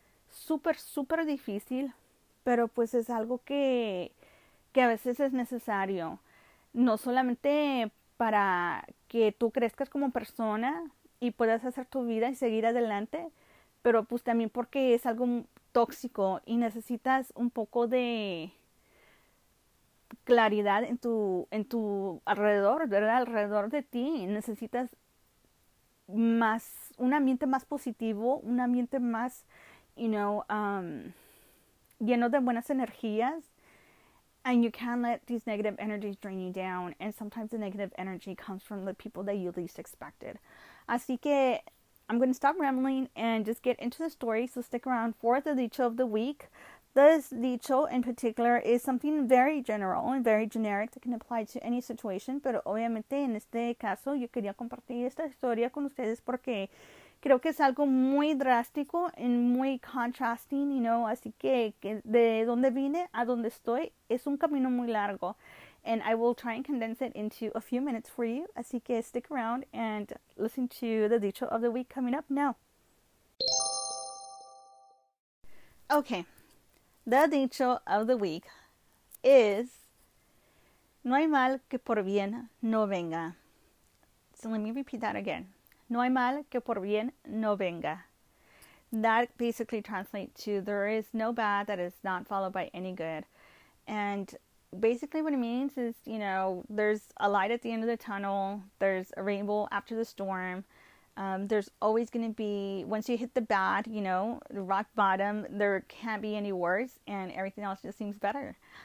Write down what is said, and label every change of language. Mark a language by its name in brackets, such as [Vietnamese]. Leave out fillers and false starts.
[Spanish] súper, súper difícil, pero pues es algo que a veces es necesario, no solamente para que tú crezcas como persona y puedas hacer tu vida y seguir adelante, pero pues también porque es algo tóxico y necesitas un poco de claridad en tu alrededor, ¿verdad? Alrededor de ti. Necesitas más, un ambiente más positivo, un ambiente más, lleno de buenas energías. [English] And you can't let these negative energies drain you down. And sometimes the negative energy comes from the people that you least expected. [Spanish] Así que [English] I'm going to stop rambling and just get into the story. So stick around for the dicho of the week. This dicho in particular is something very general and very generic that can apply to any situation. [Spanish] Pero obviamente en este caso yo quería compartir esta historia con ustedes porque creo que es algo muy drástico y muy contrasting, Así que de dónde vine a dónde estoy es un camino muy largo. [English] And I will try and condense it into a few minutes for you. [Spanish] Así que [English] stick around and listen to the dicho of the week coming up now. Okay, the dicho of the week is [Spanish] no hay mal que por bien no venga. [English] So let me repeat that again. [Spanish] No hay mal que por bien no venga. [English] That basically translates to there is no bad that is not followed by any good. And basically what it means is, there's a light at the end of the tunnel. There's a rainbow after the storm. There's always going to be, once you hit the bad, the rock bottom, there can't be any worse and everything else just seems better.